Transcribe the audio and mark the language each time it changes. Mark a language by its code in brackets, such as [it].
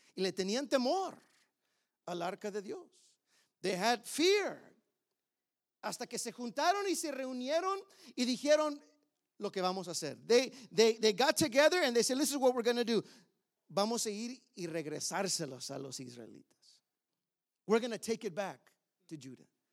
[es] Y le tenían temor al arca de Dios. [en] They had fear. [es] Hasta que se juntaron y se reunieron y dijeron lo que vamos a hacer. [en] They got together and they said, this is what we're going to do. [es] Vamos a ir y regresárselos a los israelitas. [en] We're going to take it back to Judah.